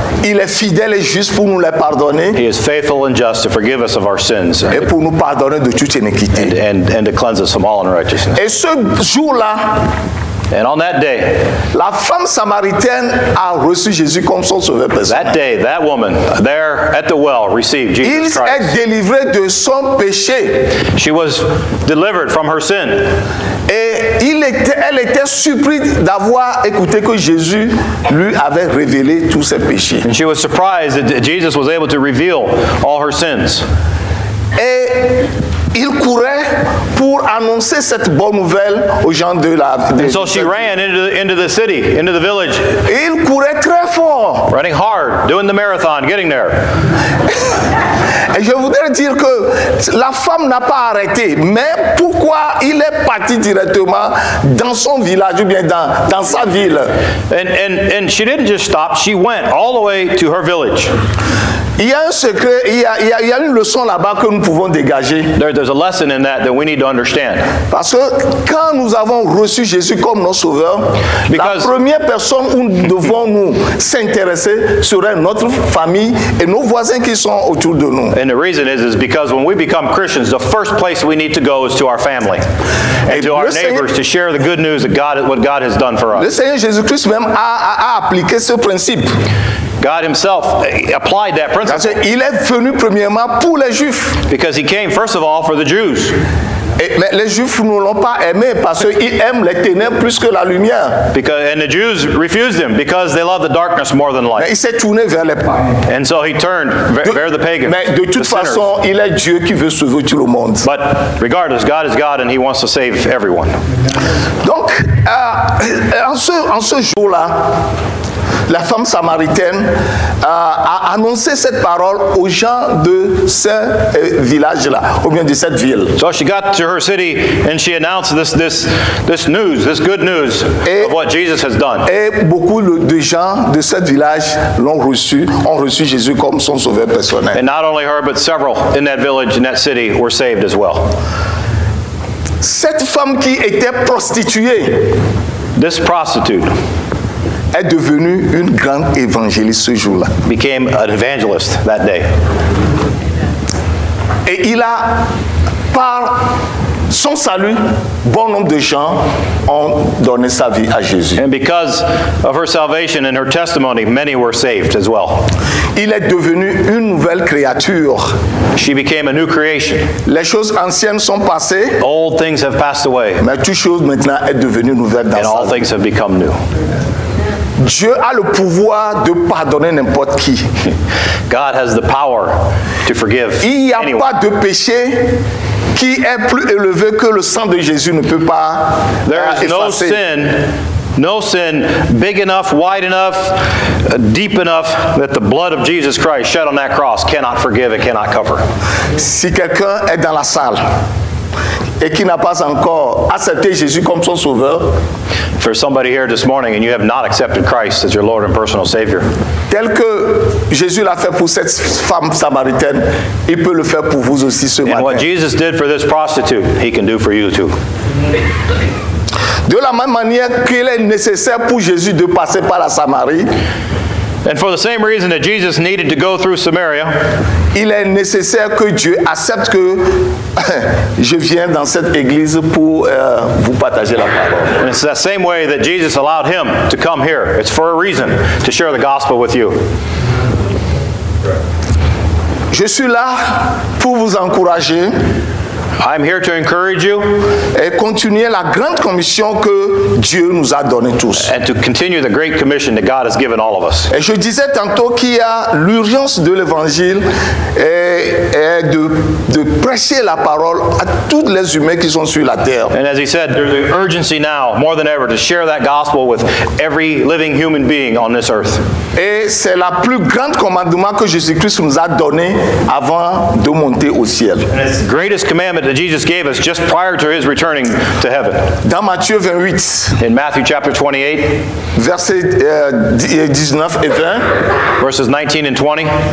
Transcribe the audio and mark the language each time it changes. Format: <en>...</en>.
<fr>Il est fidèle et juste pour nous les pardonner.</fr> <en>He is faithful and just to forgive us of our sins.</en> <fr>Et pour nous pardonner de toute iniquité.</fr> <en>And to cleanse us from all unrighteousness.</en> <fr>Et ce jour-là,</fr> <en>and on that day,</en> <fr>la femme samaritaine a reçu Jésus comme son sauveur personnel.</fr> <en>That day, that woman there at the well received Jesus</en> <fr>Il</fr> <en>Christ.</en> <fr>Est délivré de son péché.</fr> <en>She was delivered from her sin.</en> <fr>Et elle était surprise d'avoir écouté que Jésus lui avait révélé tous ses péchés.</fr> <en>And she was surprised that Jesus was able to reveal all her sins.</en> <fr>Et il courait pour annoncer cette bonne nouvelle aux gens de la ville.</fr> <en>So she ran into the city, into the village.</en> <fr>Et il courait très fort.</fr> <en>Running hard, doing the marathon, getting there.</en> <fr>Et je voudrais dire que la femme n'a pas arrêté. Mais pourquoi il est parti directement dans son village ou bien dans sa ville?</fr> <en>And she didn't just stop.</en> <fr>She went all the way to her village.</fr> <en>Il y a un secret, il y a une leçon là-bas que nous pouvons dégager.</en> <fr>There's a lesson in that we need to understand.</fr> <en>Parce que quand nous avons reçu Jésus comme notre sauveur,</en> <fr>because la première personne où nous devons nous s'intéresser sera notre famille et nos voisins qui sont autour de nous.</fr> <en>And the reason is because when we become Christians, the first place we need to go is to our family and to our neighbors to share the good news of God, what God has done for us.</en> <fr>Le Seigneur Jésus-Christ même a appliqué ce principe.</fr> <en>God himself applied that principle.</en> <fr>Parce qu'il est venu premièrement pour les Juifs.</fr> <en>Because he came first of all for the Jews.</en> <fr>Mais les Juifs ne l'ont pas aimé parce qu'ils aiment les ténèbres plus que la lumière.</fr> <en>Because, and the Jews refused him because they love the darkness more than light.</en> <fr>Mais il s'est tourné vers les païens.</fr> <en>And so he turned</en> <fr>vers</fr> <en>the pagans.</en> <fr>Mais de toute façon, il est Dieu qui veut sauver tout le monde.</fr> <en>But regardless, God is God and he wants to save everyone.</en> <fr>Donc, en ce jour-là, la femme samaritaine a annoncé cette parole aux gens de ce village-là, ou bien de cette ville.</fr> <en>So she got to her city and she announced this news, this good news of what Jesus has done.</en> <fr>Et beaucoup de gens de ce village ont reçu Jésus comme son sauveur personnel.</fr> <en>And not only her, but several in that village, in that city, were saved as well.</en> <fr>Cette femme qui était prostituée.</fr> <en>This prostitute.</en> <fr>Est devenue une grande évangéliste ce jour-là.</fr> <en>Became an evangelist that day.</en> <fr>Et il a, par son salut, bon nombre de gens ont donné sa vie à Jésus.</fr> <en>And because of her salvation and her testimony, many were saved as well.</en> <fr>Il est devenu une nouvelle créature.</fr> <en>She became a new creation.</en> <fr>Les choses anciennes sont passées.</fr> <en>Old things have passed away.</en> <fr>Mais toutes choses maintenant est devenue nouvelle dans</fr> <en>and</en> <fr>sa</fr> <en>all</en> <fr>vie.</fr> <en>Things have become new.</en> <fr>Dieu a le pouvoir de pardonner n'importe qui.</fr> <en>God has the power to forgive.</en> <fr>Il n'y a pas de péché qui est plus élevé que le sang de Jésus ne peut pas effacer.</fr> <en>There is no sin big enough, wide enough, deep enough that the blood of Jesus Christ shed on that cross cannot forgive, it cannot cover.</en> <fr>Si quelqu'un est dans la salle et qui n'a pas encore accepté Jésus comme son sauveur.</fr> <en>For somebody here this morning and you have not accepted Christ as your Lord and personal Savior.</en> <fr>Tel que Jésus l'a fait pour cette femme samaritaine, il peut le faire pour vous aussi ce matin.</fr> <en>And what Jesus did for this prostitute, he can do for you too.</en> <fr>De la même manière qu'il est nécessaire pour Jésus de passer par la Samarie.</fr> <en>And for the same reason that Jesus needed to go through Samaria,</en> <fr>il est nécessaire que Dieu accepte que je viens dans cette église pour vous partager la parole.</fr> <en>And it's the same way that Jesus allowed him to come here. It's for a reason to share the gospel with you.</en> <fr>Je suis là pour vous encourager.</fr> <en>I'm here to encourage you.</en> <fr>Et continuer la grande commission que Dieu nous a donné tous.</fr> <en>And to continue the great commission that God has given all of us.</en> <fr>Et je disais tantôt qu'il y a l'urgence de l'évangile et de prêcher la parole à tous les humains qui sont sur la terre.</fr> <en>And as he said, there's an urgency now more than ever to share that gospel with every living human being on this earth.</en> <fr>Et c'est la plus grande commandement que Jésus-Christ nous a donné avant de monter au ciel.</fr> <en>And it's the greatest commandment that Jesus gave us just prior to his returning to heaven.</en> <fr>Dans Matthieu 28,</fr> <en>in Matthew chapter 28, verses 19 and 20,</en>